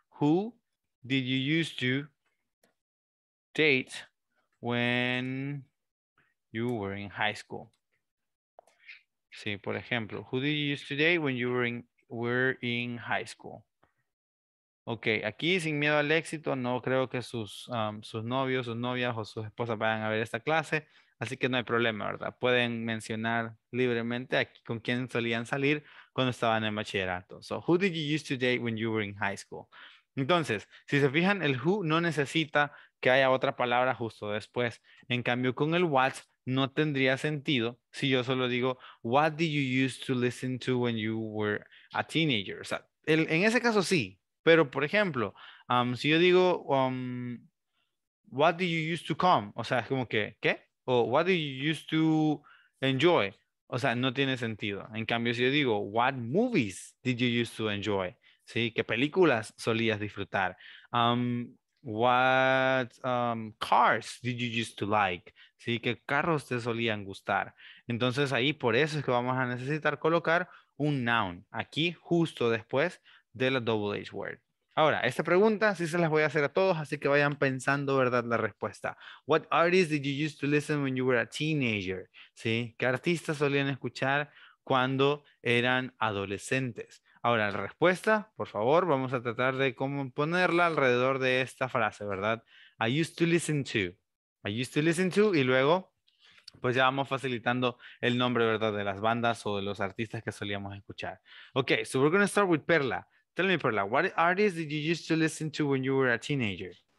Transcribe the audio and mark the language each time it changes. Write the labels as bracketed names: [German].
[English] Who did you used to date when you were in high school? [Spanish] Sí, por ejemplo, [English] who did you used to date when you were in, were in high school? [Spanish] Ok, aquí sin miedo al éxito, no creo que sus, sus novios, sus novias o sus esposas vayan a ver esta clase. Así que no hay problema, ¿verdad? Pueden mencionar libremente aquí con quién solían salir cuando estaban en bachillerato. [English] So, who did you used to date when you were in high school? [Spanish] Entonces, si se fijan, el who no necesita que haya otra palabra justo después. En cambio, con el what no tendría sentido si yo solo digo, [English] what did you used to listen to when you were a teenager? [Spanish] O sea, el, en ese caso sí. Pero, por ejemplo, si yo digo, [English] what did you used to come? [Spanish] O sea, es como que, ¿qué? O [English] what did you used to enjoy? [Spanish] O sea, no tiene sentido. En cambio, si yo digo, [English] what movies did you used to enjoy? [Spanish] ¿Sí? ¿Qué películas solías disfrutar? [English] What cars did you used to like? [Spanish] ¿Sí? ¿Qué carros te solían gustar? Entonces, ahí por eso es que vamos a necesitar colocar un noun. Aquí, justo después de la double H word. Ahora, esta pregunta sí se las voy a hacer a todos, así que vayan pensando, ¿verdad?, la respuesta. [English] What artists did you used to listen when you were a teenager? [Spanish] ¿Sí? ¿Qué artistas solían escuchar cuando eran adolescentes? Ahora, la respuesta, por favor, vamos a tratar de cómo ponerla alrededor de esta frase, ¿verdad? [English] I used to listen to. [Spanish] I used to listen to, y luego, pues ya vamos facilitando el nombre, ¿verdad?, de las bandas o de los artistas que solíamos escuchar. [English] Ok, so we're going to start with Perla. Tell me, Perla, what artists did you used to listen to when you were a teenager?